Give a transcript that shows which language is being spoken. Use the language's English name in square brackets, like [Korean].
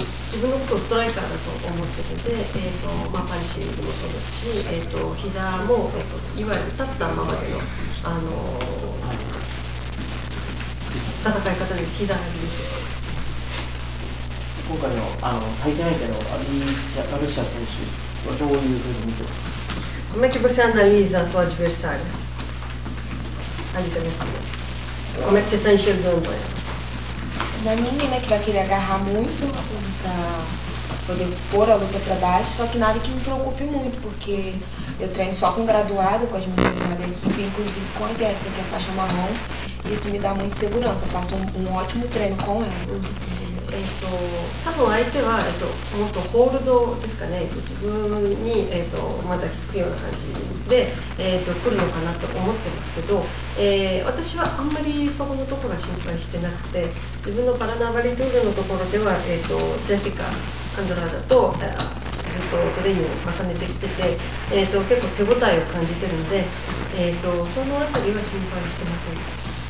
[Japanese] 自分のことをストライカーだと思ってて、まあ、パンチングもそうですし、膝も、いわゆる立ったままでの、戦い方で膝が入ります。今回 の対戦相手のアルシア選手はどういうふうに見てますか？ [Portuguese] Como é que você analisa a tua adversária? [Japanese] アリサ・ガルシア。 [Portuguese] Como é que você está enxergando ela? Uma menina que vai querer agarrar muito pra poder pôr a luta pra baixo, só que nada que me preocupe muito, porque eu treino só com graduado, com as meninas da equipe, inclusive com a Jéssica, que é a faixa marrom, e isso me dá muita segurança. Faço um ótimo treino com ela. [Japanese] 多分相手は、もっとホールドですかね、自分に、また気づくような感じで、来るのかなと思ってますけど、私はあんまりそこのところは心配してなくて、自分のパラナバリルールのところでは、ジェシカ・アンドラーダとずっとトレーニングを重ねてきてて、結構手応えを感じてるので、そのあたりは心配してません。